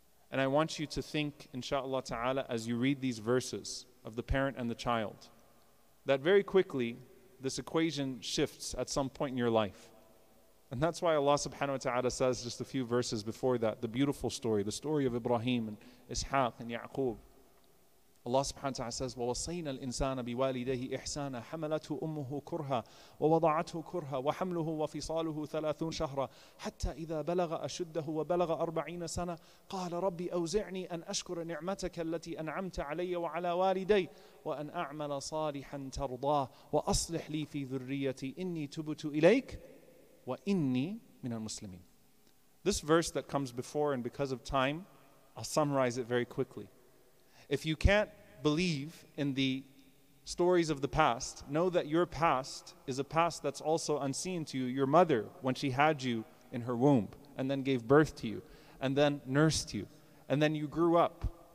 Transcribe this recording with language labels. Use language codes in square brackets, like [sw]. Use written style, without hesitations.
[en] And I want you to think, inshallah ta'ala, as you read these verses of the parent and the child, that very quickly this equation shifts at some point in your life. And that's why Allah subhanahu wa ta'ala says just a few verses before that, the beautiful story, the story of Ibrahim and Ishaq and Ya'qub. Allah subhanahu wa ta'ala says, [ar] وَوَصَيْنَا الْإِنسَانَ بِوَالِدَيْهِ إِحْسَانًا حَمَلَتْهُ أُمُّهُ كُرْهًا وَوَضَعَتْهُ كُرْهًا وَحَمْلُهُ وَفِصَالُهُ 30 شَهْرًا حَتَّى إِذَا بَلَغَ أَشُدَّهُ وَبَلَغَ 40 سَنَةً قَالَ رَبِّ أَوْزِعْنِي أَنْ أَشْكُرَ نِعْمَتَكَ الَّتِي أَنْعَمْتَ عَلَيَّ وَعَلَى وَالِدَيْ وَأَنْ أَعْمَلَ صَالِحًا تَرْضَاهُ وَأَصْلِحْ لِي فِي ذُرِّيَّتِي إِنِّي تُبْتُ إِلَيْكَ وَإِنِّي مِنَ الْمُسْلِمِينَ. [en] This verse that comes before, and because of time, I'll summarize it very quickly. If you can't believe in the stories of the past, know that your past is a past that's also unseen to you. Your mother, when she had you in her womb, and then gave birth to you, and then nursed you, and then you grew up.